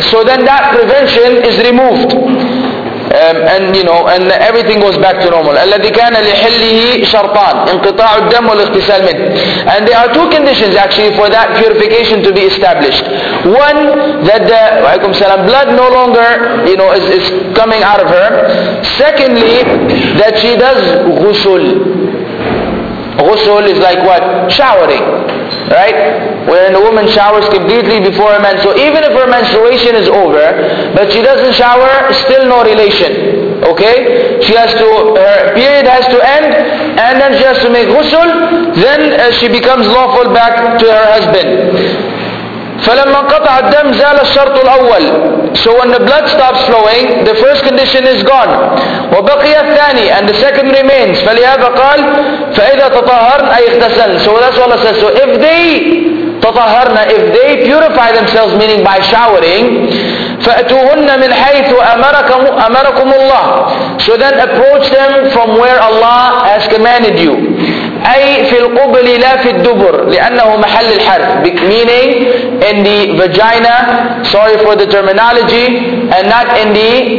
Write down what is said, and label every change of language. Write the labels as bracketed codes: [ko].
[en] So then that prevention is removed. And everything goes back to normal. [ar] الذي كان لحله شرطان, انقطاع الدم والاغتسال منه. [en] And there are two conditions actually for that purification to be established. One, that the [ar] وعليكم السلام [en] blood no longer, is coming out of her. Secondly, that she does غسل. Ghusl is like what? Showering. Right? When a woman showers completely before a man. So even if her menstruation is over, but she doesn't shower, still no relation. Okay? She has to, her period has to end, and then she has to make ghusl, then she becomes lawful back to her husband. [ar] فلما قطع الدم زال الشرط الأول. [en] So when the blood stops flowing, the first condition is gone. [ar] وبقي الثاني, [en] and the second remains. [ar] فلهذا قال فإذا تطهرن أي اغتسلن. [en] So that's what Allah says. So if they تطهرن, if they purify themselves, meaning by showering, [ar] فأتوهن من حيث أمركم الله. [en] So then approach them from where Allah has commanded you. [ar] أي في القبل لا في الدبر لأنه محل الحرث. [en] Meaning in the vagina, sorry for the terminology, and not in the